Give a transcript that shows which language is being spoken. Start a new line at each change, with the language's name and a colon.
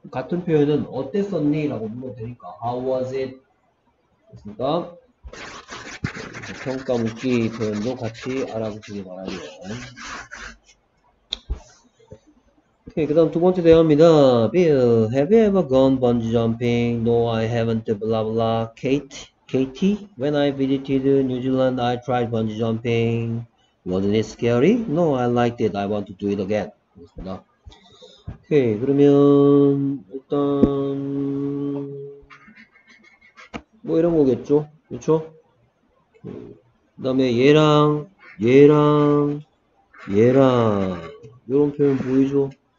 Korean: 같은 표현은 어땠었니? 라고 물어도 되니까
English: How was it?
Korean: 됐습니까? 평가 묻기 표현도 같이 알아보시기 바라구요. 오케이, 그 다음 두 번째 대화입니다.
English: Bill, have you ever gone bungee jumping? No, I haven't. Blah blah. Katie, when I visited New Zealand, I tried bungee jumping. Wasn't it scary? No, I liked it. I want to do it again.
Korean: 오케이, 그러면 일단 뭐 이런 거겠죠? 그렇죠? 그다음에 얘랑 이런 표현 보이죠?